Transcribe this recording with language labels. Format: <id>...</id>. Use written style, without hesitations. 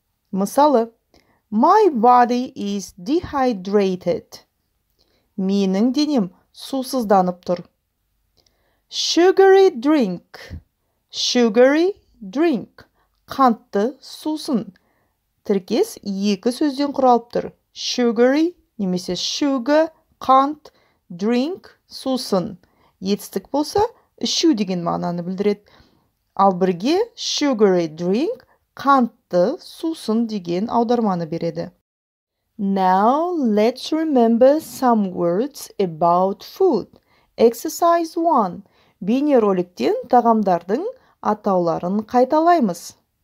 <kk>Мысалы.</kk> <en>My body is dehydrated.</en> <kk>Менің денем сусызданып тұр.</kk> <en>Sugary drink. Sugary drink.</en> <kk>Қантты сусын. Тіркес екі сөзден құралып тұр. Sugary немесе sugar, қант, drink, сусын. Етістік болса, ішу деген мағынаны білдіреді. Ал бірге sugary drink қантты сусын деген аударманы береді.</kk> <en>Now, let's remember some words about food. Exercise 1.</en> <kk>Бейне роликтен тағамдардың атауларын қайталаймыз.</kk>